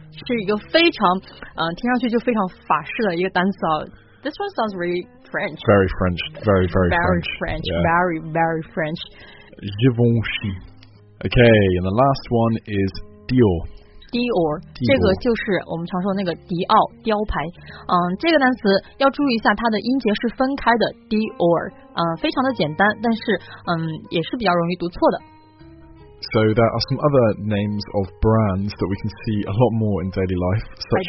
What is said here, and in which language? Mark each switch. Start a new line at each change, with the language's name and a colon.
Chinese: 是一个非常听上去就非常法式的一个单词啊。
English: This one sounds really French. Very French. Very very French. Very French.、 Yeah. Very very French. Givenchy. Okay, and the last one is Dior.
Chinese: Dior, 这个就是我们常说那个迪奥雕牌。这个单词要注意一下，它的音节是分开的 ，Dior。非常的简单，但是也是比较容易读错的。
English: So there are some other names of brands that we can see a lot more in daily life, such